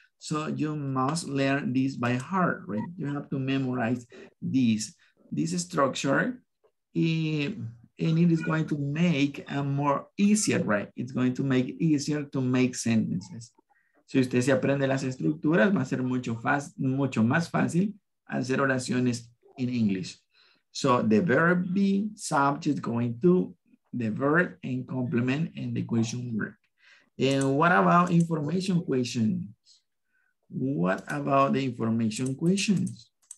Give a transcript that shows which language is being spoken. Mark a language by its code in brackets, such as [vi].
[en] So you must learn this by heart, right? You have to memorize this structure. And it is going to make a more easier, right? It's going to make it easier to make sentences. [es] Si usted se aprende las estructuras, va a ser mucho más fácil hacer oraciones [en] in English. So the verb be, subject going to, the verb and complement and the question word. And what about information questions? What about the information questions?